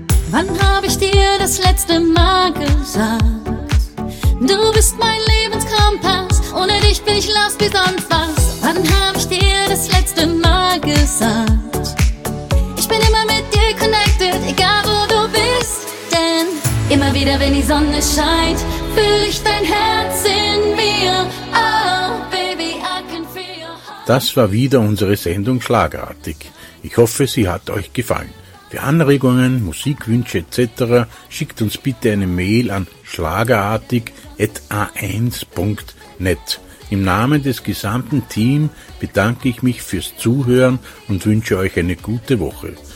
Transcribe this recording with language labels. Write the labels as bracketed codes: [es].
[de] Wann habe ich dir das letzte Mal gesagt? Du bist mein Lebenskompass, ohne dich bin ich lost wie sonst was. Wann habe ich dir das letzte Mal gesagt? Ich bin immer mit dir connected, egal wo du bist. Denn immer wieder, wenn die Sonne scheint, fühle ich dein Herz in mir. [en] Oh, baby, I can feel your heart. [de] Das war wieder unsere Sendung Schlagartig. Ich hoffe, sie hat euch gefallen. Für Anregungen, Musikwünsche etc. schickt uns bitte eine Mail an schlagartig@a1.net. Im Namen des gesamten Teams bedanke ich mich fürs Zuhören und wünsche euch eine gute Woche.